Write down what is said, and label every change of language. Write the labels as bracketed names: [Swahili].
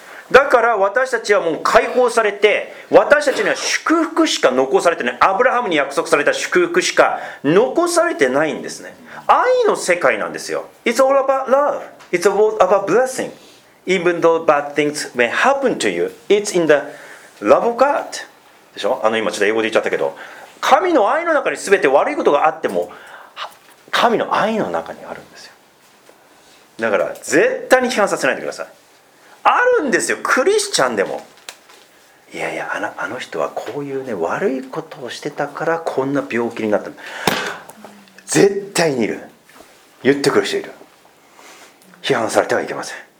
[Japanese] だから私たちはもう解放されて、私たちには祝福しか残されてない。アブラハムに約束された祝福しか残されてないんですね。愛の世界なんですよ。 [English] It's all about love. It's all about blessing. Even though bad things may happen to you, it's in the love of God. [Japanese] でしょ？今ちょっと英語で言っちゃったけど、神の愛の中に全て悪いことがあっても、神の愛の中にあるんですよ。だから絶対に批判させないでください。あるんですよ、クリスチャンでも。いやいや、あの人はこういうね、悪いことをしてたからこんな病気になった。絶対にいる。言ってくる人いる。批判されてはいけません。